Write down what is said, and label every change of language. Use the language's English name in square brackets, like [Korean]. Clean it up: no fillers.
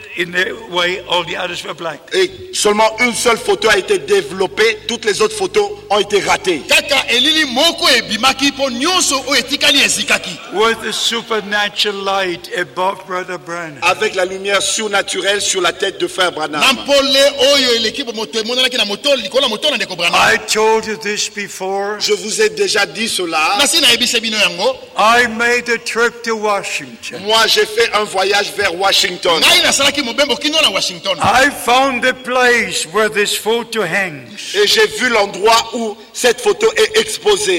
[English] In the way all the others were black. [French] Et seulement une seule photo a été développée, toutes les autres photos ont été ratées. [English] With the supernatural light above Brother Branham. [French] Avec la lumière surnaturelle sur la tête de Frère Branham. [English] I told you this before. [French] Je vous ai déjà dit cela. [English] I made a trip to Washington. [French] Moi, j'ai fait un voyage vers Washington. [English] I found the place where this photo hangs. [French] Et j'ai vu l'endroit où cette photo est exposée.